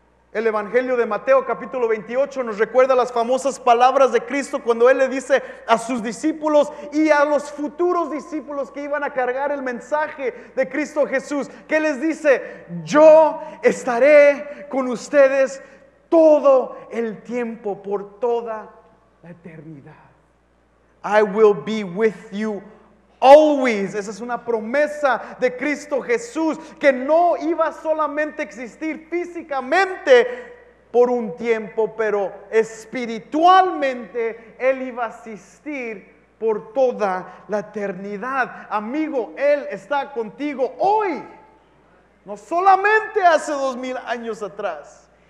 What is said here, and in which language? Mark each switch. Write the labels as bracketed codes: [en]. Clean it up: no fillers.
[es] El Evangelio de Mateo capítulo 28 nos recuerda las famosas palabras de Cristo cuando Él le dice a sus discípulos y a los futuros discípulos que iban a cargar el mensaje de Cristo Jesús, que les dice, yo estaré con ustedes todo el tiempo, por toda la eternidad. [en] I will be with you always. [es] Esa es una promesa de Cristo Jesús, que no iba solamente a existir físicamente por un tiempo, pero espiritualmente Él iba a existir por toda la eternidad. Amigo, Él está contigo hoy, no solamente hace 2000 años atrás.